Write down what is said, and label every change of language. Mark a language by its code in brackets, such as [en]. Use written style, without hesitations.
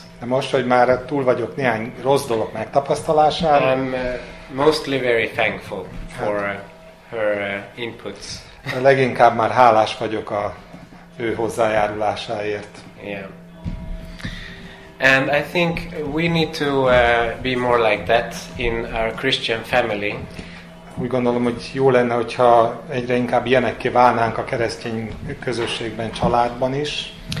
[hu] de most, hogy már túl vagyok néhány rossz dolog megtapasztalásán, [en] I'm mostly very thankful for her inputs. [hu] Leginkább már hálás vagyok a ő hozzájárulásáért. Yeah. [en] And I think we need to be more like that in our Christian family. [hu] Úgy gondolom, hogy jó lenne, hogyha egyre inkább ilyenekké válnánk a keresztény közösségben, családban is.